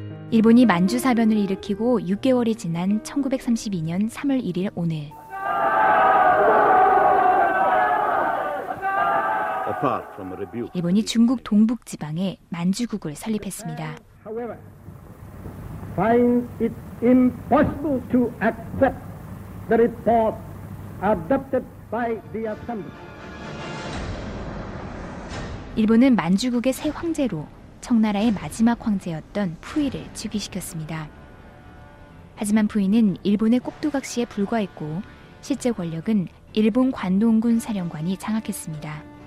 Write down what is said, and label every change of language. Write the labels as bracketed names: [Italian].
[Korean] 일본이 만주사변을 일으키고 6개월이 지난 1932년 3월 1일 오늘. 일본이 중국 동북 지방에 만주국을 설립했습니다. [English] Finds it impossible to accept the report adopted by the assembly. [Korean] 일본은 만주국의 새 황제로 청나라의 마지막 황제였던 푸이를 즉위시켰습니다. 하지만 푸이는 일본의 꼭두각시에 불과했고 실제 권력은 일본 관동군 사령관이 장악했습니다.